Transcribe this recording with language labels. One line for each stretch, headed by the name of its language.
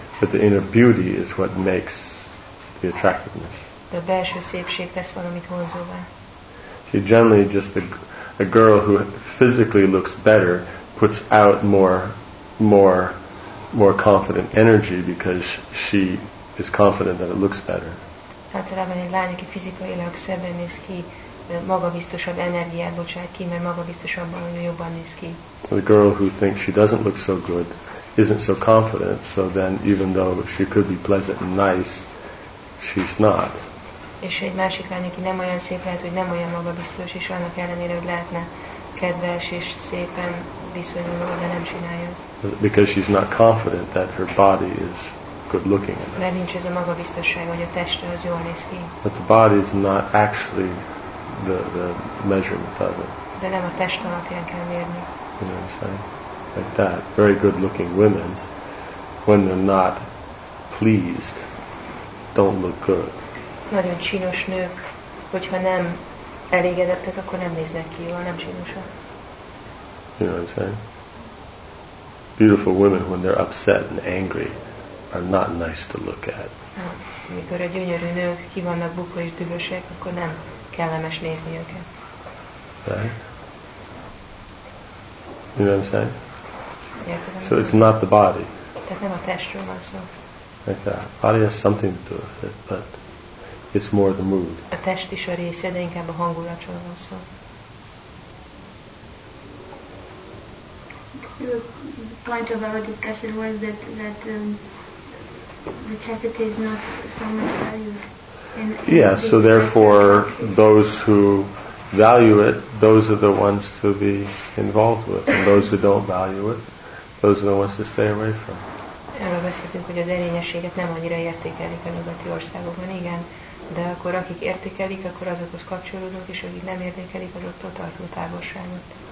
English: But the inner beauty is what makes the attractiveness.
Hungarian: De a belső szépség lesz valamit vonzóvá.
English: See, generally just a girl who physically looks better puts out more confident energy because she is confident that it looks better.
Hungarian: Általában egy lány, aki fizikailag szebben néz ki, magabiztosabb energiát bocsát ki, mert magabiztosabban jobban néz ki.
English: The girl who thinks she doesn't look so good isn't so confident, so then even though she could be pleasant and nice, she's not.
Hungarian: És egy másik lány, aki nem olyan szép lehet, hogy nem olyan magabiztos, és annak ellenére, hogy lehetne kedves és szépen viszonyuló, de nem csinálja.
English: Because she's not confident that her body is good looking in it.
Hungarian: Nincs ez a magabiztosság, hogy a teste az jól néz ki.
English: But the body is not actually the measurement of it.
Hungarian: De nem a test alapján kell mérni.
English: You know what I'm saying? Like that. Very good looking women, when they're not pleased, don't look good.
Hungarian: Nagyon csinos nők, hogyha nem elégedettek, akkor nem néznek ki jól, nem csinosak.
English: You know what I'm saying? Beautiful women, when they're upset and angry, are not nice to look at.
Hungarian: Amikor a gyönyörű nők ki vannak bukva és dühösek, akkor nem kellemes nézni őket.
English: Right? You know what I'm saying? So it's not the body.
Hungarian: Tehát nem a testről van szó.
English: Like that. Body has something to do with it, but it's more the mood.
Hungarian: A test is a része, de inkább a hangulatról van szó.
English: The point of our discussion was that the chastity is not so much valued. Yeah, so therefore those who value it, those are the ones to be involved with. And those who don't value it, those are the ones to stay away from.
Hungarian: Erről beszéltünk, hogy az erényességet nem annyira értékelik a nyugati országokban, igen. De akkor akik értékelik, akkor azokhoz kapcsolódnak, és akik nem értékelik, az ottól tartó távolságot.